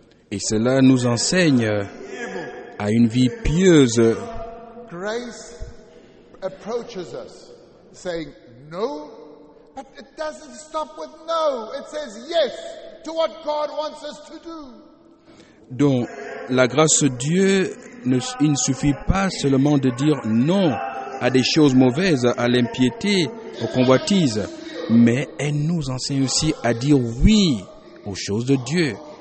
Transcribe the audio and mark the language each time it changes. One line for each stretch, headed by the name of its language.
French: Et cela nous enseigne à une vie pieuse.
English: Grace approaches us, saying no, but it doesn't stop with no. It says yes to what God wants us to do.
French: Donc, la grâce de Dieu, il ne suffit pas seulement de dire non à des choses mauvaises, à l'impiété, aux convoitises, mais elle nous enseigne aussi à dire oui aux choses de Dieu.